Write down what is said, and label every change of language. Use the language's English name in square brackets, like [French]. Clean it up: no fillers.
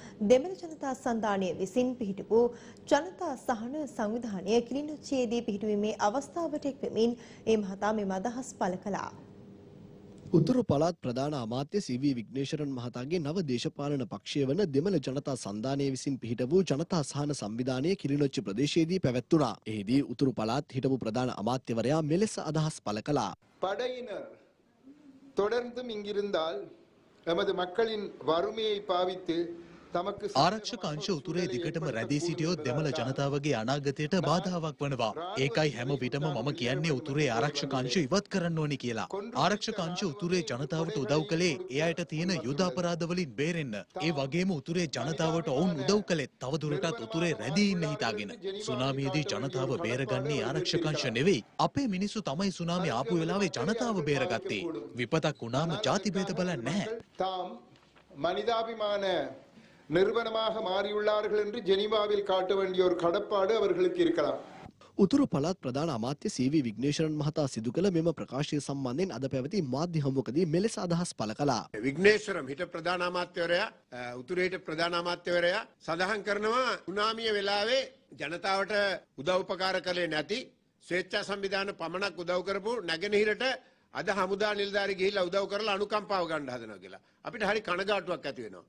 [Sinhala] දෙමළ ජනතා සන්ධානය විසින් පිහිටපු ජනතා සහන සංවිධානය කිලිනොච්චයේදී පිහිටුවීමේ අවස්ථාවට එක්වෙමින් ඒ මහතා මෙම අදහස් පළ කළා. උතුරු පළාත් ප්‍රධාන අමාත්‍ය සිවි විග්නේශරන් මහතාගේ නව දේශපාලන පක්ෂය වන දෙමළ ජනතා සන්ධානය විසින් පිහිට වූ ජනතා සහන සංවිධානය කිලිනොච්ච ප්‍රදේශයේදී පැවැත්වුණා. එහිදී උතුරු පළාත් හිටපු ප්‍රධාන අමාත්‍යවරයා මෙලෙස අදහස් පළ කළා. [Tamil] "படையினர் தொடர்ந்து இங்கிருந்தால் எமது மக்களின் வறுமையை பாவித்து" [Sinhala] ආරක්ෂක අංශ උතුරේ දිගටම රැඳී සිටියෝ දෙමළ ජනතාවගේ අනාගතයට බාධාවක් වනවා. ඒකයි හැම විටම මම කියන්නේ උතුරේ ආරක්ෂක අංශ ඉවත් කරන්න ඕනි කියලා. ආරක්ෂක අංශ උතුරේ ජනතාවට උදව් කළේ ඒ අයට තියෙන යුද අපරාධවලින් බේරෙන්න. ඒ වගේම උතුරේ ජනතාවට ඔවුන් උදව් කළේ තවදුරටත් උතුරේ රැඳී ඉන්න හිතාගෙන. සුනාමියේදී ජනතාව බේරගන්නේ ආරක්ෂක අංශ නෙවෙයි, අපේ මිනිස්සු තමයි සුනාමිය ආපු වෙලාවේ ජනතාව බේරගත්තේ. විපතක් වුණාම ජාති භේද බලන්නේ නැහැ. [Tamil] நிர்வனமாக மாறியுள்ளார்கள் என்று ஜெனீவாவில் காட்ட வேண்டிய ஒரு கடப்பாடு அவர்களுக்கு இருக்கலாம். [Sinhala] උතුරු පළාත් ප්‍රධාන අමාත්‍ය සීවී විග්නේශරන් මහතා සිදු කළ මෙම ප්‍රකාශය සම්බන්ධයෙන් අද පැවති මාධ්‍ය හමුවකදී මෙලෙස අදහස් පළ කළා. විග්නේශරම් හිට ප්‍රධාන අමාත්‍යවරයා උතුරේට ප්‍රධාන අමාත්‍යවරයා සඳහන් කරනවා සුනාමිය වෙලාවේ ජනතාවට උදව් උපකාර කළේ නැති ස්වේච්ඡා සංවිධාන පමණක් උදව් කරපු නැගෙනහිරට අද හමුදා නිලධාරි ගිහිල්ලා උදව් කරලා අනුකම්පාව ගන්න හදනවා කියලා අපිට හරි කනගාටුවක් ඇති වෙනවා.